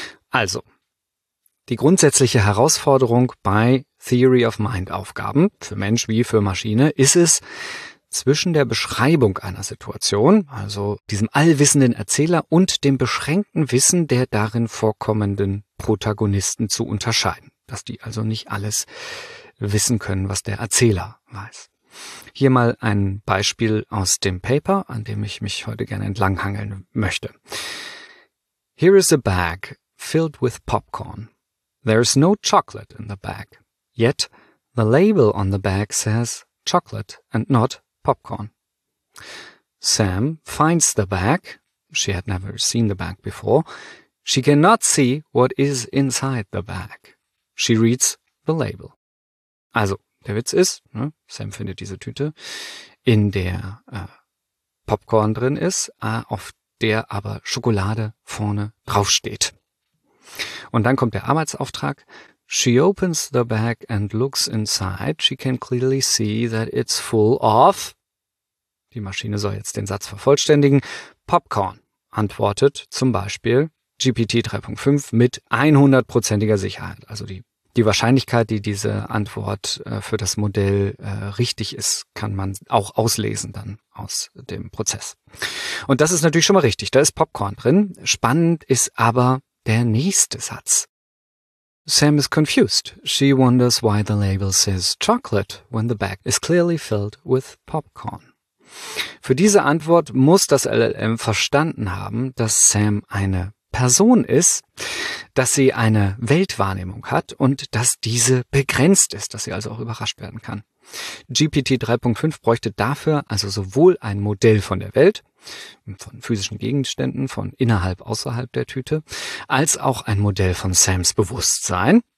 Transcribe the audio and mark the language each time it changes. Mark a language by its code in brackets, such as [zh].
[de] Also, die grundsätzliche Herausforderung bei Theory of Mind Aufgaben, für Mensch wie für Maschine, ist es, zwischen der Beschreibung einer Situation, also diesem allwissenden Erzähler und dem beschränkten Wissen der darin vorkommenden Protagonisten zu unterscheiden, dass die also nicht alles wissen können, was der Erzähler weiß. Hier mal ein Beispiel aus dem Paper, an dem ich mich heute gerne entlanghangeln möchte. [en] Here is a bag filled with popcorn. There is no chocolate in the bag. Yet, the label on the bag says chocolate and not popcorn. Sam finds the bag. She had never seen the bag before. She cannot see what is inside the bag. She reads the label. [de] Also, der Witz ist, ne? Sam findet diese Tüte, in der Popcorn drin ist, auf der aber Schokolade vorne draufsteht. Und dann kommt der Arbeitsauftrag. [en] She opens the bag and looks inside. She can clearly see that it's full of... [de] Die Maschine soll jetzt den Satz vervollständigen. Popcorn, antwortet zum Beispiel GPT 3.5 mit 100%iger Sicherheit. Also die Wahrscheinlichkeit, die diese Antwort für das Modell richtig ist, kann man auch auslesen dann aus dem Prozess. Und das ist natürlich schon mal richtig. Da ist Popcorn drin. Spannend ist aber der nächste Satz. [en] Sam is confused. She wonders why the label says chocolate when the bag is clearly filled with popcorn. [de] Für diese Antwort muss das LLM verstanden haben, dass Sam eine Person ist, dass sie eine Weltwahrnehmung hat und dass diese begrenzt ist, dass sie also auch überrascht werden kann. GPT 3.5 bräuchte dafür also sowohl ein Modell von der Welt, von physischen Gegenständen, von innerhalb, außerhalb der Tüte, als auch ein Modell von Sams Bewusstsein.